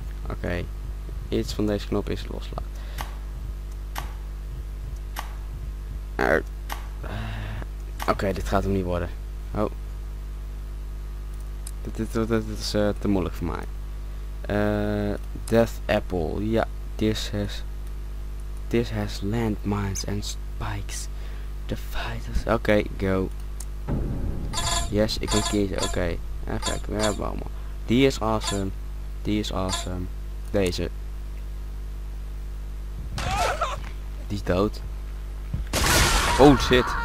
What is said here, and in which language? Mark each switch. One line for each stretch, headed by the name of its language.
Dutch: Oké. Iets van deze knop is loslaat. Oké, dit gaat hem niet worden. Oh. Dit is te moeilijk voor mij.
English: Death Apple. Ja, this has landmines and spikes. The fighters.
Dutch: Oké,
English: go. Yes,
Dutch: ik kan kiezen. Oké. Even kijken, we hebben allemaal. Die is awesome. Deze. Die is dood. Oh shit.